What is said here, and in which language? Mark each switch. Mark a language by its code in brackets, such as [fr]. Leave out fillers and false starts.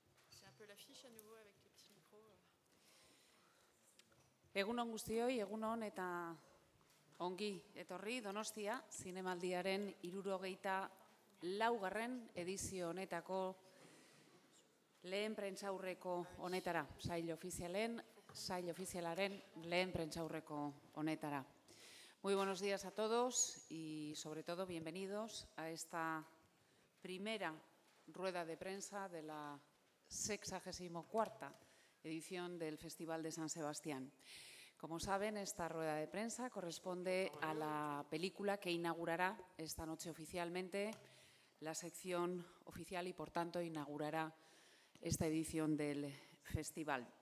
[fr] C'est un peu l'affiche à nouveau avec le petit micro. [eu] Egunon guztioi, egunon eta ongi etorri Donostia Zinemaldiaren 64. edizio honetako lehen prentzaurreko honetara, sail ofizialaren lehen prentzaurreko honetara. [es] Muy buenos días a todos y sobre todo bienvenidos a esta primera rueda de prensa de la 64. edición del Festival de San Sebastián. Como saben, esta rueda de prensa corresponde a la película que inaugurará esta noche oficialmente la sección oficial y, por tanto, inaugurará esta edición del festival.